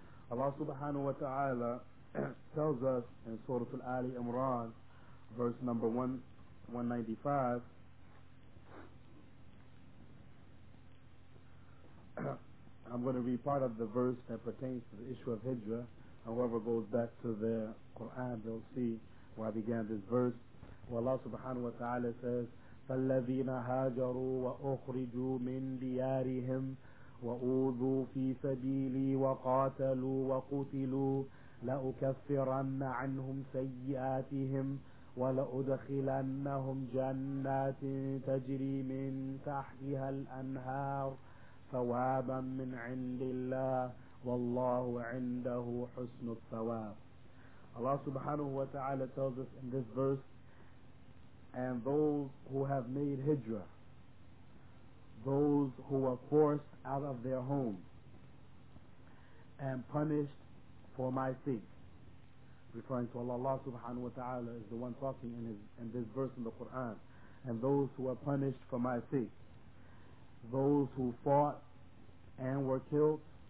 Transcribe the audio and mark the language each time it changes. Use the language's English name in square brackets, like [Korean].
[English] Allah subhanahu wa ta'ala tells us in Surah Al-Ali Imran, verse number 195, I'm going to read part of the verse that pertains to the issue of hijrah. However, goes back to the Quran, they'll see where I began this verse. Well, Allah subhanahu wa ta'ala says, [Arabic] فَالَّذِينَ هَاجَرُوا وَأُخْرِجُوا مِنْ دِيَارِهِمْ وَأُوذُوا فِي سَبِيلِي وَقَاتَلُوا وَقُتِلُوا لَأُكَفِّرَنَّ عَنْهُمْ سَيِّئَاتِهِمْ وَلَأُدْخِلَنَّهُمْ جَنَّاتٍ تَجْرِي مِنْ تَحْتِهَا الْأَنْهَارُ ثوابا من عند الله والله عنده حسن الثواب. [English] Allah subhanahu wa ta'ala tells us in this verse, and those who have made hijrah, those who were forced out of their home and punished for my sake, referring to Allah, Allah subhanahu wa ta'ala is the one talking in this verse in the Quran, and those who are punished for my sake, those who fought and were killed,